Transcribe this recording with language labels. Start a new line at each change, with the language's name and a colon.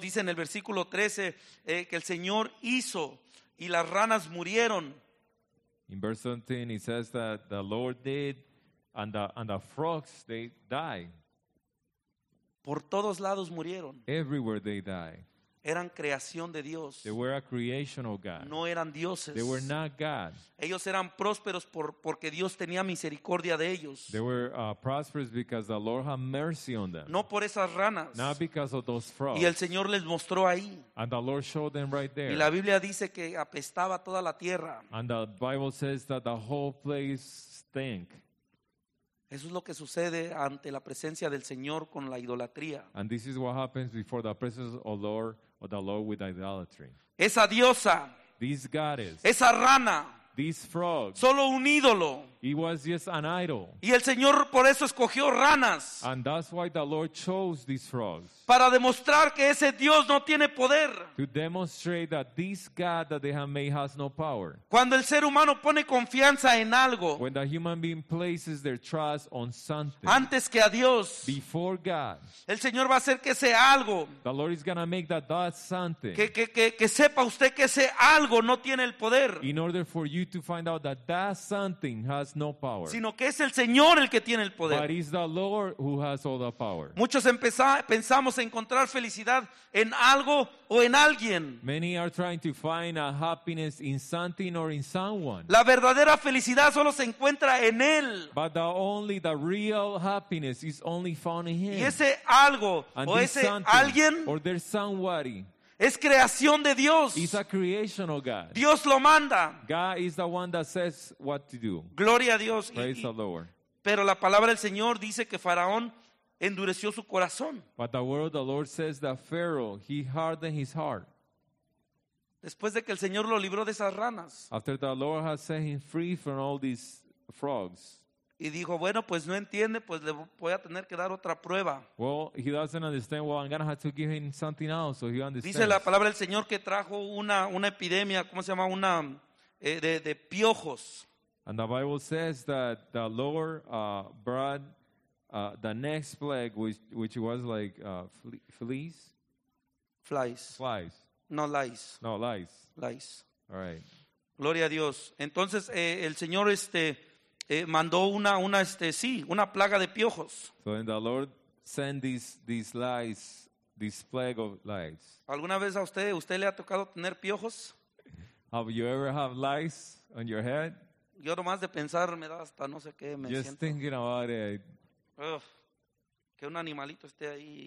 Spanish: Dice en el versículo 13 que el Señor hizo y las ranas murieron.
English: In verse 17, it says that the Lord did, and the frogs, they die.
Spanish: Por todos lados murieron.
English: Everywhere they die.
Spanish: Eran creación de Dios.
English: They were a creation of God.
Spanish: No eran dioses.
English: They were not God.
Spanish: Ellos eran prósperos porque Dios tenía misericordia de ellos.
English: They were prosperous because the Lord had mercy on them.
Spanish: No por esas ranas.
English: Not because of those frogs.
Spanish: Y el Señor les mostró ahí.
English: And the Lord showed them right there.
Spanish: Y la Biblia dice que apestaba toda la tierra.
English: And the Bible says that the whole place stank.
Spanish: Eso es lo que sucede ante la presencia del Señor con la idolatría.
English: And this is what happens before the presence of the Lord, or the Lord with idolatry.
Spanish: Esa diosa.
English: This goddess.
Spanish: Esa rana.
English: This frog.
Spanish: Solo un ídolo.
English: He was just an idol.
Spanish: Y el Señor por eso escogió ranas.
English: And that's why the Lord chose these frogs.
Spanish: Para demostrar que ese Dios no tiene poder.
English: To demonstrate that this God that they have made has no power.
Spanish: Cuando el ser humano pone confianza en algo.
English: When the human being places their trust on something.
Spanish: Antes que a Dios.
English: Before God.
Spanish: El Señor va a hacer que ese algo.
English: The Lord is gonna make that something.
Spanish: Que sepa usted que ese algo no tiene el poder.
English: In order for you to find out that something has no power.
Spanish: Sino que es el Señor el que tiene el poder.
English: But it's the Lord who has all the power.
Spanish: Muchos pensamos encontrar felicidad en algo o en alguien.
English: Many are trying to find a happiness in something or in someone.
Spanish: La verdadera felicidad solo se encuentra en él.
English: But the real happiness is only found in him.
Spanish: Y ese algo
English: and
Spanish: o ese alguien
English: or there's somebody.
Spanish: Es creación de Dios.
English: It's a creation of God.
Spanish: Dios lo manda.
English: God is the one that says what to do.
Spanish: Gloria a Dios.
English: Praise the Lord.
Spanish: Pero la palabra del Señor dice que Faraón endureció su corazón.
English: But the word of the Lord says that Pharaoh, he hardened his heart.
Spanish: Después de que el Señor lo libró de esas ranas.
English: After the Lord has set him free from all these frogs.
Spanish: Y dijo, bueno, pues no entiende, pues le voy a tener que dar otra prueba.
English: Well, he doesn't understand. Well, I'm going to have to give him something else so he understands.
Spanish: Dice la palabra del Señor que trajo una epidemia, ¿cómo se llama? Una de piojos.
English: And the Bible says that the Lord brought the next plague, which was like fleas? Flies. Flies. No, lice. No, lice. Lice. All right.
Spanish: Gloria a Dios. Entonces, el Señor mandó una plaga de piojos.
English: So then the Lord sent these lies, this plague of lies.
Spanish: ¿Alguna vez a usted le ha tocado tener piojos?
English: Have you ever had lice on your head?
Spanish: Yo nomás de pensar me da hasta no sé qué me
English: just
Spanish: siento.
English: Thinking about it.
Spanish: Que un animalito esté ahí.